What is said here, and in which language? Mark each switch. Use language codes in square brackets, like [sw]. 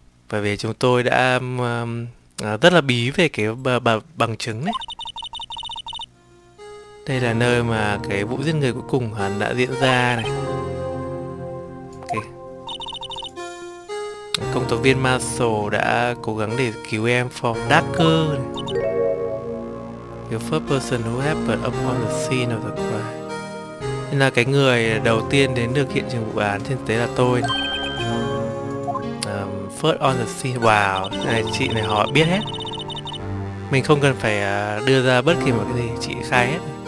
[vi] Bởi vì chúng tôi đã rất là bí về cái bằng chứng đấy. Đây là nơi mà cái vụ giết người cuối cùng hắn đã diễn ra này. [en] Okay. [vi] Công tố viên Marshall đã cố gắng để cứu em [en] from Darker [vi] này. [en] The first person who happened upon the scene of the crime. [vi] Nên là cái người đầu tiên đến được hiện trường vụ án trên tế là tôi này. [en] First on the scene, wow, [vi] này, chị này họ biết hết. Mình không cần phải đưa ra bất kỳ một cái gì, chị khai hết.